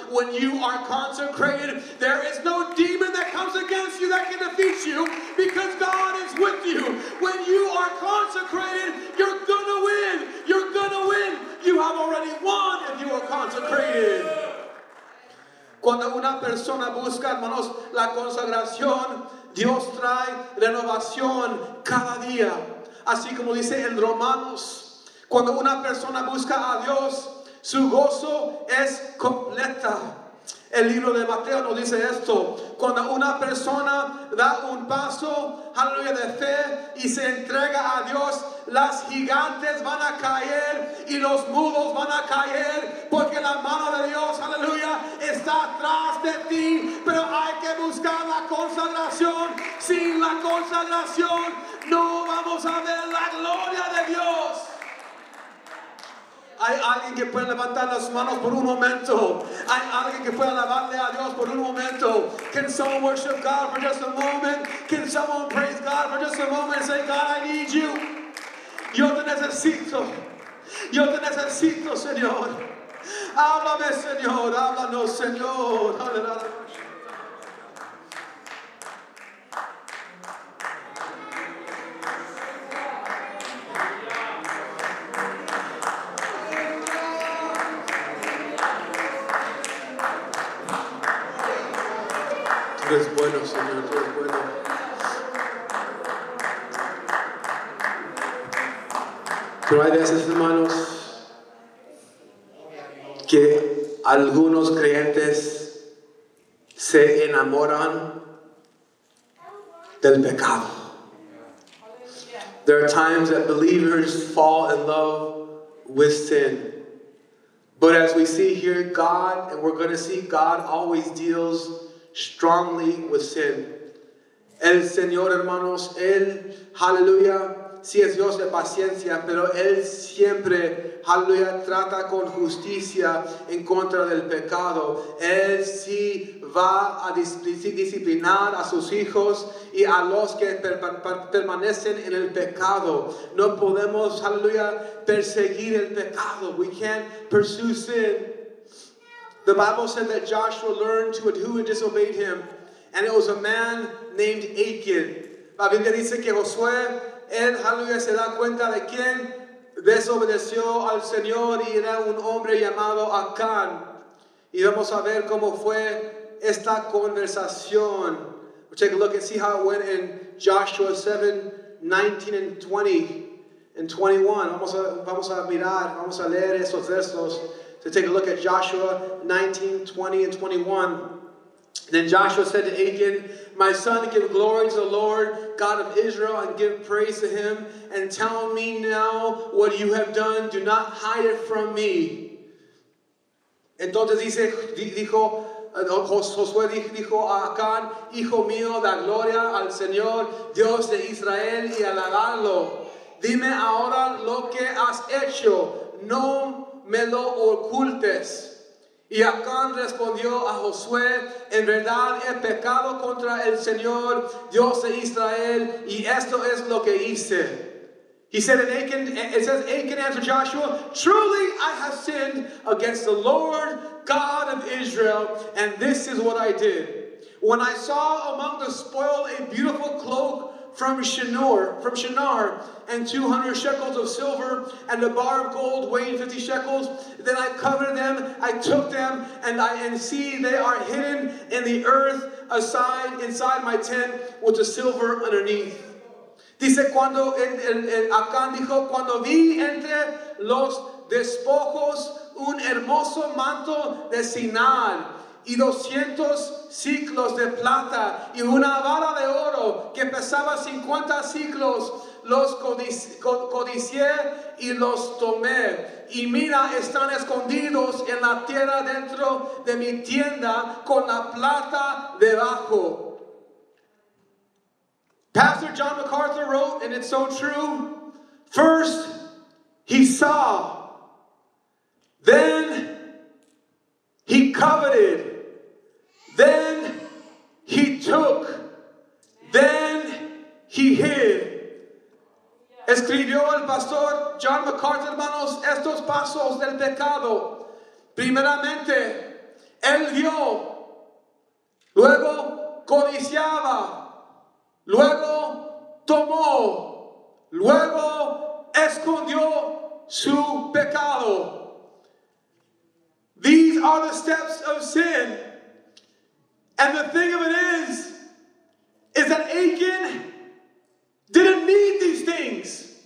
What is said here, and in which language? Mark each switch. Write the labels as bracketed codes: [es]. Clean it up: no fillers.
[en] When you are consecrated, there is no demon that comes against you that can defeat you, because God is with you. When you are consecrated, you're going to win. You're going to win. You have already won if you are consecrated. [es] Cuando una persona busca, hermanos, la consagración, Dios trae renovación cada día. Así como dice en Romanos, cuando una persona busca a Dios, su gozo es completa. El libro de Mateo nos dice esto: cuando una persona da un paso, aleluya, de fe y se entrega a Dios, las gigantes van a caer y los muros van a caer, porque la mano de Dios, aleluya, está atrás de ti. Pero hay que buscar la consagración. Sin la consagración no vamos a ver la gloria de Dios. Hay alguien que puede levantar las manos por un momento. Hay alguien que puede alabarle a Dios por un momento. [en] Can someone worship God for just a moment? Can someone praise God for just a moment and say, God, I need you. [es] Yo te necesito. Yo te necesito, Señor. Háblame, Señor. Háblanos, Señor. Tú eres bueno, Señor, tú eres bueno. Pero hay veces, hermanos, que algunos creyentes se enamoran del pecado. [en] There are times that believers fall in love with sin. But as we see here, God, and we're going to see, God always deals strongly with sin. [es] El Señor, hermanos, Él, aleluya, sí es Dios de paciencia, pero Él siempre, aleluya, trata con justicia en contra del pecado. Él sí va a disciplinar a sus hijos y a los que permanecen en el pecado. No podemos, aleluya, perseguir el pecado. [en] We can't pursue sin. The Bible said that Joshua learned to it who had disobeyed him, and it was a man named Achan. [es] La Biblia dice que Josué, él, aleluya, se da cuenta de quien desobedeció al Señor, y era un hombre llamado Acán. Y vamos a ver cómo fue esta conversación. [en] We'll take a look and see how it went in Joshua 7:19-20 and 21. [es] Vamos a leer esos versos. [en] To take a look at Joshua 19:20 and 21. Then Joshua said to Achan, "My son, give glory to the Lord, God of Israel, and give praise to him, and tell me now what you have done. Do not hide it from me." [es] Entonces dice, dijo, Josué dijo a Acán, "Hijo mío, da gloria al Señor, Dios de Israel, y alabarlo. Dime ahora lo que has hecho. No me lo ocultes." Y Acán respondió a Josué, "En verdad he pecado contra el Señor, Dios de Israel, y esto es lo que hice." [en] He said, and Achan, it says, Achan answered Joshua, "Truly I have sinned against the Lord God of Israel, and this is what I did. When I saw among the spoil a beautiful cloak from Shinar, and 200 shekels of silver, and a bar of gold weighing 50 shekels, then I covered them, I took them, and see, they are hidden in the earth aside inside my tent, with the silver underneath." [es] Dice, cuando Acán dijo, "Cuando vi entre los despojos un hermoso manto de Sinar, y 200 siclos de plata, y una vara de oro que pesaba 50 siclos, los codicié y los tomé. Y mira, están escondidos en la tierra dentro de mi tienda con la plata debajo." [en] Pastor John MacArthur wrote, and it's so true, "First he saw, then he coveted, then he took, then he hid." [es] Escribió el pastor John MacArthur, hermanos, estos pasos del pecado. Primeramente, él vio, luego codiciaba, luego tomó, luego escondió su pecado. [en] These are the steps of sin. And the thing of it is that Achan didn't need these things.